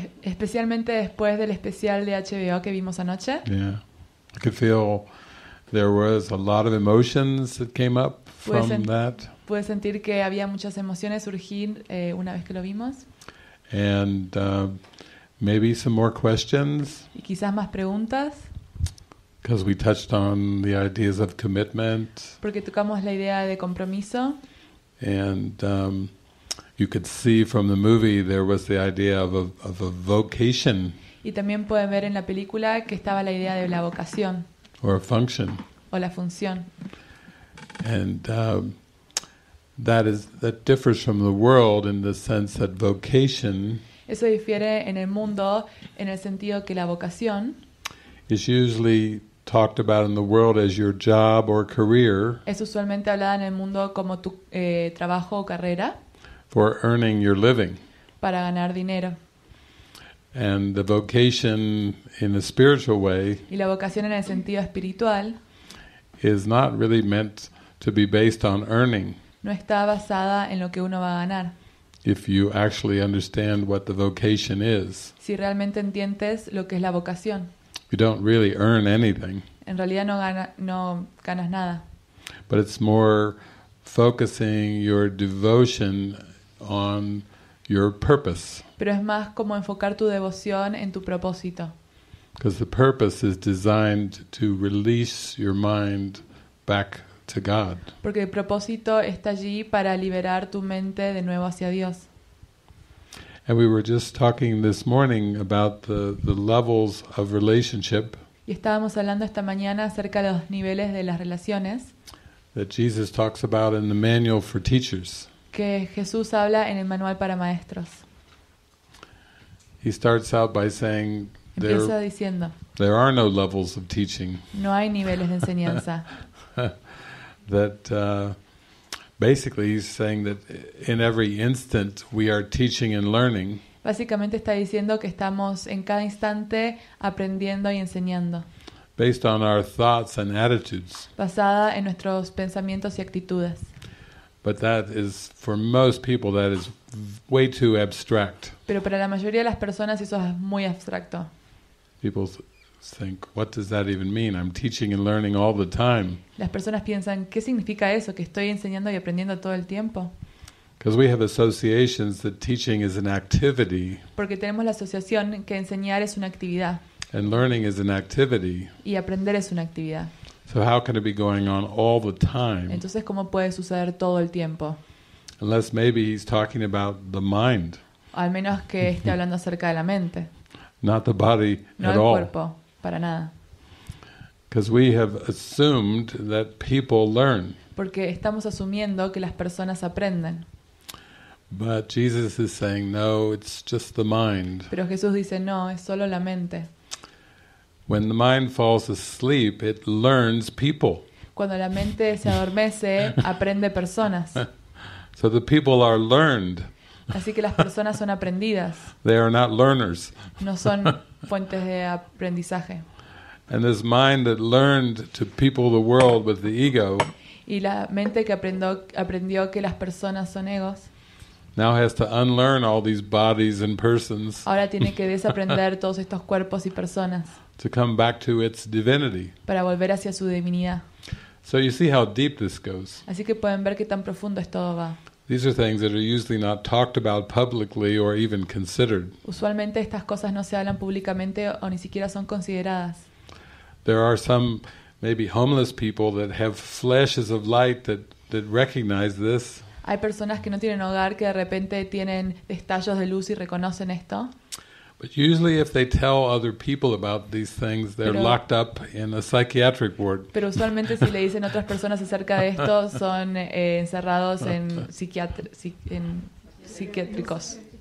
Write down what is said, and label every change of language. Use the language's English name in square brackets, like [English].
[Spanish] Especialmente después del especial de HBO que vimos anoche. [English] Yeah, I could feel there was a lot of emotions that came up from that. [Spanish] Puedes sentir que había muchas emociones surgir una vez que lo vimos. [English] And maybe some more questions. [Spanish] Y quizás más preguntas. [English] Because we touched on the ideas of commitment. [Spanish] Porque tocamos la idea de compromiso. [English] And you could see from the movie there was the idea of a vocation. [Spanish] Y también pueden ver en la película que estaba la idea de la vocación. [English] Or a function. [Spanish] O la función. [English] And that differs from the world in the sense that vocation. [Spanish] Eso difiere en el mundo en el sentido que la vocación [English] is usually talked about in the world as your job or career. [Spanish] Es usualmente hablada en el mundo como tu trabajo o carrera. [English] For earning your living. [Spanish] Para ganar dinero. [English] And the vocation in a spiritual way. [Spanish] Y la vocación en el sentido espiritual [English] is not really meant to be based on earning. [Spanish] No está basada en lo que uno va a ganar. [English] If you actually understand what the vocation is. [Spanish] Si realmente entiendes lo que es la vocación. [English] You don't really earn anything. [Spanish] En realidad no ganas nada. [English] But it's more focusing your devotion on your purpose. [Spanish] Pero es más como enfocar tu devoción en tu propósito. [English] Because the purpose is designed to release your mind back to God. [Spanish] Porque el propósito está allí para liberar tu mente de nuevo hacia Dios. [English] And we were just talking this morning about the levels of relationship. [Spanish] Y estábamos hablando esta mañana acerca de los niveles de las relaciones. [English] That Jesus talks about in the manual for teachers. [Spanish] Que Jesús habla en el manual para maestros. [English] He starts out by saying [Spanish] empieza diciendo, [English] there are no levels of teaching. [Spanish] No hay niveles de enseñanza. [English] That basically he's saying that in every instant we are teaching and learning. [Spanish] Básicamente está diciendo que estamos en cada instante aprendiendo y enseñando. [English] Based on our thoughts and attitudes. [Spanish] Basada en nuestros pensamientos y actitudes. [English] But that is for most people that is way too abstract. [Spanish] Pero para la mayoría de las personas eso es muy abstracto. [English] People think, what does that even mean? I'm teaching and learning all the time. [Spanish] Las personas piensan, ¿qué significa eso? Que estoy enseñando y aprendiendo todo el tiempo. [English] Because we have associations that teaching is an activity. [Spanish] Porque tenemos la asociación que enseñar es una actividad. [English] And learning is an activity. [Spanish] Y aprender es una actividad. [English] So how can it be going on all the time? [Spanish] Entonces, ¿cómo puede suceder todo el tiempo? [English] Unless maybe he's talking about the mind. [Spanish] Al menos que esté hablando acerca de la mente. [English] Not the body [Spanish] no [English] at all. [Spanish] No el cuerpo, para nada. [English] Because we have assumed that people learn. [Spanish] Porque estamos asumiendo que las personas aprenden. [English] But Jesus is saying, no, it's just the mind. [Spanish] Pero Jesús dice, no, es solo la mente. [English] When the mind falls asleep, it learns people. [Spanish] Cuando la mente se adormece, aprende personas. [English] So the people are learned. [Spanish] Así que las personas son aprendidas. [English] They are not learners. [Spanish] No son fuentes de aprendizaje. [English] And this mind that learned to people the world with the ego. [Spanish] Y la mente que aprendió que las personas son egos. [English] Now has to unlearn all these bodies and persons. [Spanish] Ahora tiene que desaprender todos estos cuerpos y personas. [English] To come back to its divinity. [Spanish] Para volver hacia su divinidad. [English] So you see how deep this goes. [Spanish] Así que pueden ver qué tan profundo esto va. [English] These are things that are usually not talked about publicly or even considered. [Spanish] Usualmente estas cosas no se hablan públicamente o ni siquiera son consideradas. [English] There are some maybe homeless people that have flashes of light that recognize this. [Spanish] Hay personas que no tienen hogar que de repente tienen destellos de luz y reconocen esto. [English] But usually if they tell other people about these things, they're locked up in a psychiatric ward. [Spanish] Pero usualmente si le dicen a otras personas acerca de esto, son encerrados en psiquiátricos.